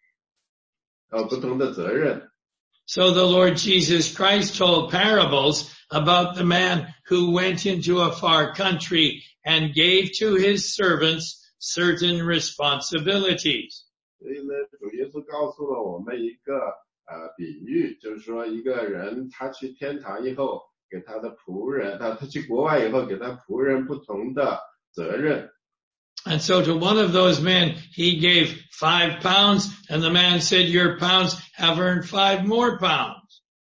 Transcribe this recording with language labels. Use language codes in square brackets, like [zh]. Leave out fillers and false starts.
[zh] 所以呢，但不同水平的那个回应在天堂里，不同的责任。 [en] So the Lord Jesus Christ told parables about the man who went into a far country and gave to his servants certain responsibilities. [zh] 所以呢，主耶稣告诉了我们一个比喻，就是说一个人他去天堂以后，给他的仆人，他去国外以后给他仆人不同的责任。 [en] And so to one of those men, he gave 5 pounds, and the man said, your pounds have earned 5 more pounds.